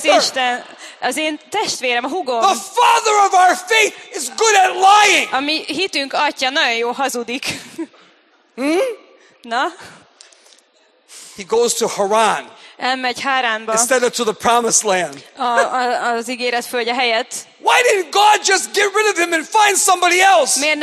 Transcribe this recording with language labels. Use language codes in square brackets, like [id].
[hu] De az Isten, az én testvérem, a húgom. [en] The father of our faith is good at lying. [hu] A mi hitünk atya nagyon jó hazudik. Na? [en] He goes to Haran. [hu] Elmegy Háránba. [en] Instead of to the promised land. [hu] Az ígéret földje helyett. [en] Why didn't God just get rid of him and find somebody else?